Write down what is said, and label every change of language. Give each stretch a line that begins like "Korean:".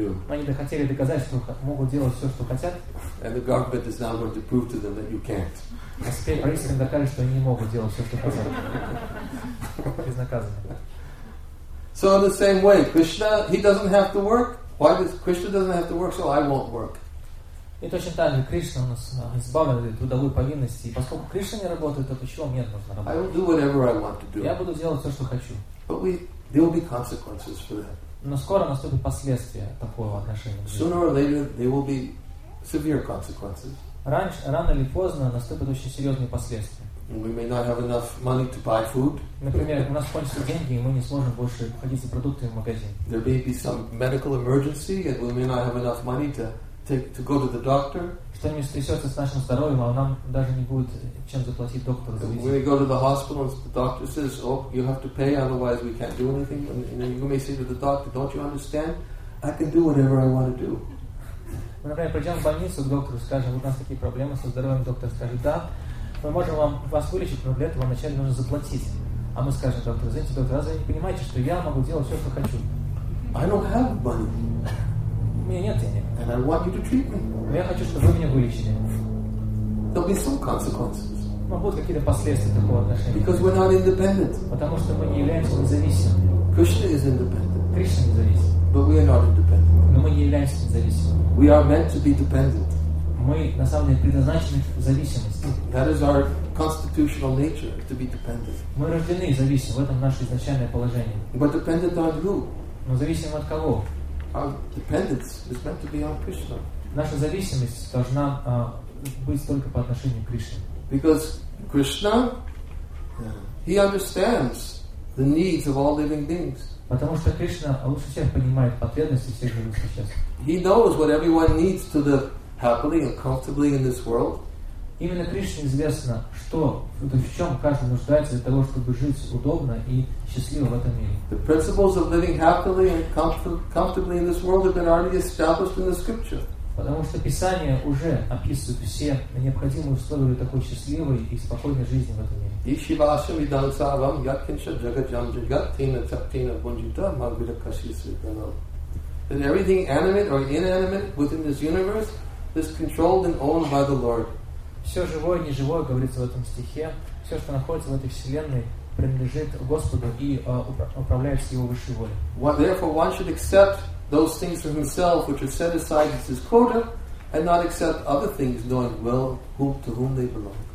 Russian: Они хотели доказать, что могут делать все, что хотят.
English: And the government is now going to prove to them that you can't.
Russian: А теперь полиция докажет, что они не могут делать все, что хотят. Безнаказанно.
English: So in the same way, Krishna, he doesn't have to work. Why does Krishna doesn't have to work, so I won't work.
Russian: И точно так же Кришна у нас избавлен от трудовой повинности. И поскольку Кришна не работает, то почему мне нужно работать?
English: I will do whatever I want to do.
Russian: Я буду делать все, что хочу.
English: But there will be consequences for that.
Russian: Но скоро наступят последствия такого отношения.
English: Sooner or later there will be severe consequences.
Russian: Рано или поздно наступят очень серьезные последствия.
English: We may not have enough money to buy food.
Russian: Например, у нас кончатся деньги, и мы не сможем больше ходить за продуктами в магазин.
English: There may be some medical emergency, and we may not have enough money to go to the doctor. Что-нибудь стрясется с нашим здоровьем, а нам даже не будет чем заплатить доктору. We may go to the hospital, and the doctor says, "Oh, you have to pay, otherwise we can't do anything." And then you may say to the doctor, "Don't you understand? I can do whatever I want to do."
Russian: Мы, например, придем в больницу к доктору, скажем, вот у нас такие проблемы со здоровьем, доктор скажет, да. Мы можем вас вылечить, но для этого вначале нужно заплатить. А мы скажем, доктор, извините, доктор, разве вы не понимаете, что я могу делать все, что хочу?
English: I don't have money.
Russian: У меня нет денег.
English: And I want you to treat me.
Russian: Но я хочу, чтобы вы меня вылечили.
English: There'll be some consequences.
Russian: Но будут какие-то последствия такого отношения.
English: Because we're not independent.
Russian: Потому что мы не являемся независимыми.
English: Krishna is independent.
Russian: Кришна независим.
English: But we are not independent.
Russian: Но мы не являемся независимыми.
English: We are meant to be dependent.
Russian: Мы, на самом деле, предназначены в зависимости.
English: That is our constitutional nature, to be dependent.
Russian: Мы рождены и зависим, в этом наше изначальное положение.
English: But dependent on who?
Russian: Но зависим от кого?
English: Our dependence is meant to be on Krishna.
Russian: Наша зависимость должна быть только по отношению к Кришне.
English: Because Krishna, he understands the needs of all living beings.
Russian: Потому что Кришна лучше всех понимает потребности всех живых существ.
English: He knows what everyone needs to the happily and comfortably in this world.
Russian: Именно Кришне известно, что в чем каждый нуждается для того, чтобы жить удобно и счастливо в этом мире.
English: The principles of living happily and comfortably in this world have been already established in the scripture.
Russian: Потому что Писание уже описывает все необходимые условия для такой счастливой и спокойной жизни в этом мире.
Sanskrit: Ишивашам идансавам яткинша джагаджамджа яттина цаптина бунджита магвида кашисы дана.
English: That everything animate or inanimate within this universe is controlled and owned by the Lord.
Russian: Все живое, неживое, говорится в этом стихе, все, что находится в этой вселенной, принадлежит Господу и управляется Его высшей волей.
English: Therefore, one should accept those things for himself which are set aside as his quota, and not accept other things, knowing well to whom they belong.